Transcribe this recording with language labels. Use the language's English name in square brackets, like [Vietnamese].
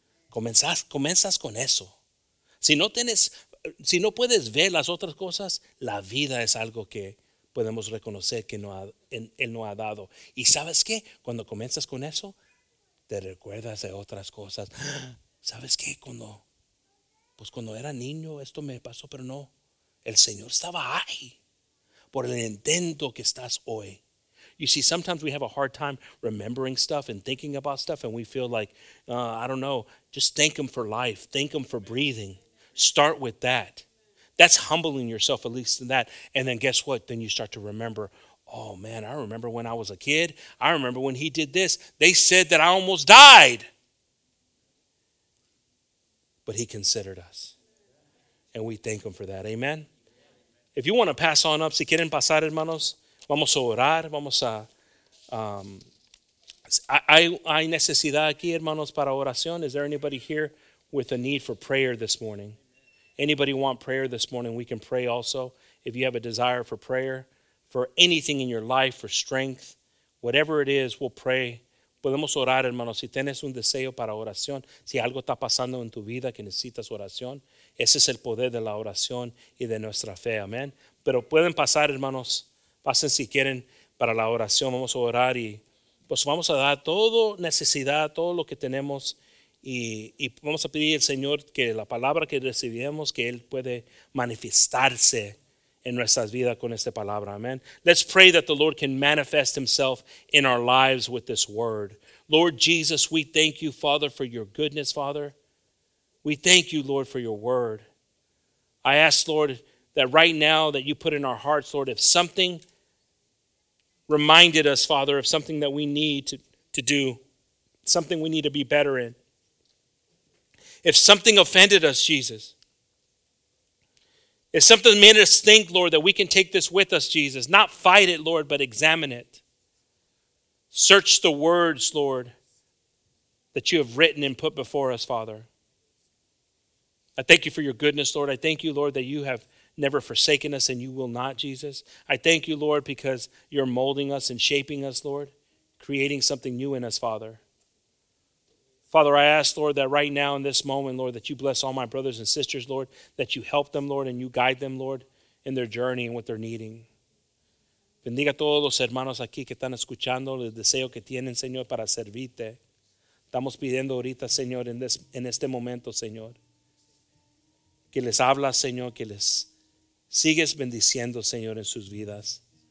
[Spanish] Comenzas con eso. Si no puedes ver las otras cosas, la vida es algo que podemos reconocer que él no ha dado. Y ¿sabes qué? Cuando comienzas con eso, te recuerdas de otras cosas. ¿Sabes qué? Cuando pues cuando era niño esto me pasó, pero no. El Señor estaba ahí por el intento que estás hoy. [English] You see, sometimes we have a hard time remembering stuff and thinking about stuff, and we feel like, I don't know, just thank Him for life. Thank Him for breathing. Start with that. That's humbling yourself, at least in that. And then guess what? Then you start to remember, oh, man, I remember when I was a kid. I remember when He did this. They said that I almost died. But He considered us. And we thank Him for that. Amen? If you want to pass on up, [Spanish] si quieren pasar, hermanos, vamos a orar, vamos a... ¿Hay necesidad aquí, hermanos, para oración? [English] Is there anybody here with a need for prayer this morning? Anybody want prayer this morning? We can pray also. If you have a desire for prayer, for anything in your life, for strength, whatever it is, we'll pray. [Spanish] Podemos orar, hermanos. Si tienes un deseo para oración, si algo está pasando en tu vida que necesitas oración, ese es el poder de la oración y de nuestra fe. Amén. Pero pueden pasar, hermanos. Pasen si quieren para la oración. Vamos a orar y pues vamos a dar todo necesidad, todo lo que tenemos y vamos a pedir al Señor que la palabra que recibimos, que Él puede manifestarse en nuestras vidas con esta palabra. [English] Amen. Let's pray that the Lord can manifest Himself in our lives with this word. Lord Jesus, we thank You, Father, for Your goodness, Father. We thank You, Lord, for Your word. I ask, Lord, that right now that You put in our hearts, Lord, if something reminded us, Father, of something that we need to do, something we need to be better in, if something offended us, Jesus, if something made us think, Lord, that we can take this with us, Jesus, not fight it, Lord, but examine it. Search the words, Lord, that You have written and put before us, Father. I thank You for Your goodness, Lord. I thank You, Lord, that You have never forsaken us and You will not, Jesus. I thank You, Lord, because You're molding us and shaping us, Lord, creating something new in us, Father. Father, I ask, Lord, that right now in this moment, Lord, that You bless all my brothers and sisters, Lord, that You help them, Lord, and You guide them, Lord, in their journey and what they're needing. [Spanish] Bendiga a todos los hermanos aquí que están escuchando el deseo que tienen, Señor, para servirte. Estamos pidiendo ahorita, Señor, en este momento, Señor, que les habla, Señor, que les sigues bendiciendo, Señor, en sus vidas.